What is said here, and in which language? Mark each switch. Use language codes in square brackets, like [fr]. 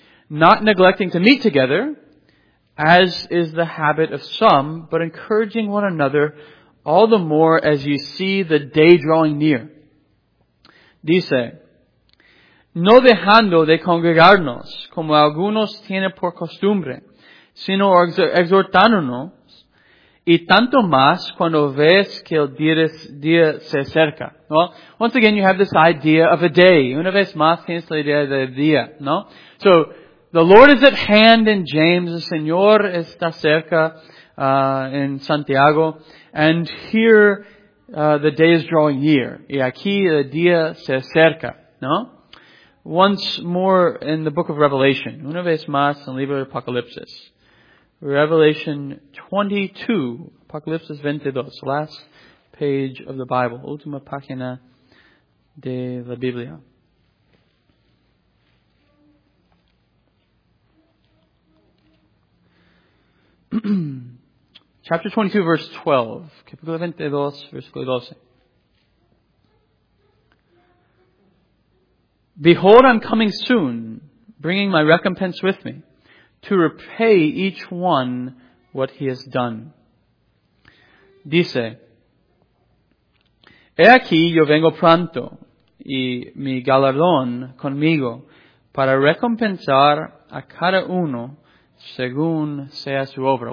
[en] Not neglecting to meet together, as is the habit of some, but encouraging one another all the more as you see the day drawing near. [es] Dice, no dejando de congregarnos, como algunos tienen por costumbre, sino exhortándonos, y tanto más cuando ves que el día se acerca. [en] Well, once again, you have this idea of a day. [es] Una vez más tienes la idea de día, ¿no? [en] So, the Lord is at hand in James. [es] El Señor está cerca en Santiago. [en] And here, the day is drawing near. [es] Y aquí el día se acerca, ¿no? [en] Once more in the book of Revelation. [es] Una vez más en el libro de Apocalipsis. [en] Revelation 22, Apocalipsis 22, last page of the Bible, [es] última página de la Biblia. [en] Chapter 22, verse 12, [es] capítulo 22, versículo 12. [en] Behold, I'm coming soon, bringing my recompense with me, to repay each one what he has done. [es] Dice, he aquí yo vengo pronto, y mi galardón conmigo, para recompensar a cada uno según sea su obra.